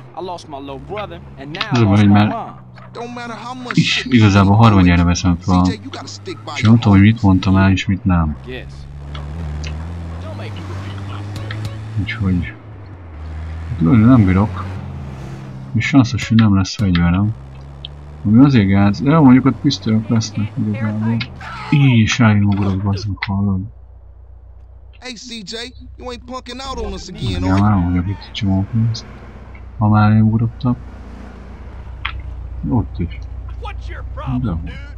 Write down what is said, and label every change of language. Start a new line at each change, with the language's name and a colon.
English: I lost my little brother, and now I lost my mom. Don't matter how much shit you do, CJ, you gotta stick by your heart.
Hungarian: És nem tudom, hogy mit mondtam el, és mit nem. Úgyhogy... Különben nem bírok. És sanszos, hogy nem lesz fegyverem. Ami azért gáz. De jó, mondjuk ott pisztolyok lesznek igazából. Így is elindulok, bazdmeg, hallod.
English: Hey CJ, you ain't punking out on us again, are you? Yeah, I don't want to get to chew on things. I'm out of here, what up, top? What the? What's your problem, dude?